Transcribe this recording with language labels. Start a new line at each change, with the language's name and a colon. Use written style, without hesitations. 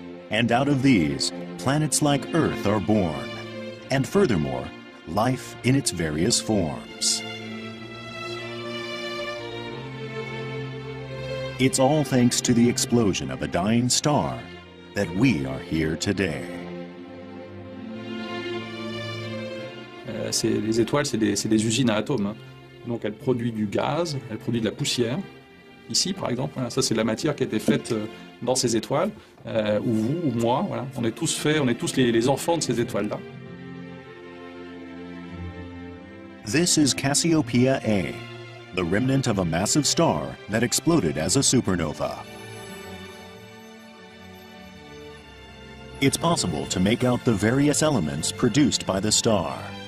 English: And out of these, planets like Earth are born. And furthermore, life in its various forms. It's all thanks to the explosion of a dying star that we are here today.
French: C'est, les étoiles, c'est des usines à atomes. Hein. Donc elles produisent du gaz, elles produisent de la poussière. Ici, par exemple, voilà, ça c'est de la matière qui a été faite dans ces étoiles, ou vous, ou moi, voilà. On est tous faits, on est tous les enfants de ces étoiles-là.
English: This is Cassiopeia A, the remnant of a massive star that exploded as a supernova. It's possible to make out the various elements produced by the star.